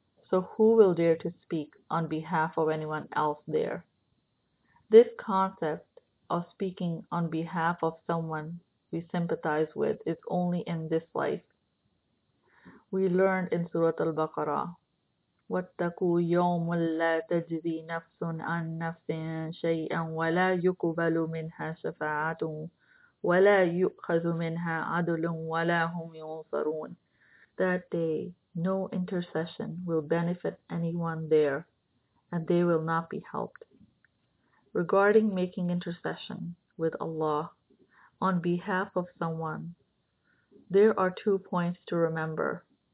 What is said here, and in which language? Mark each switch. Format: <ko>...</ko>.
<en>So who will dare to speak on behalf of anyone else there? This concept of speaking on behalf of someone we sympathize with is only in this life. We learned in Surah Al-Baqarah,</en> <ar>واتقوا يوم لا تجزي نفس عن نفس شيئا ولا يقبل منها شفاعة ولا يؤخذ منها عدل ولا هم ينصرون.</ar> <en>That day, no intercession will benefit anyone there, and they will not be helped. Regarding making intercession with Allah on behalf of someone, there are two points to remember.</en>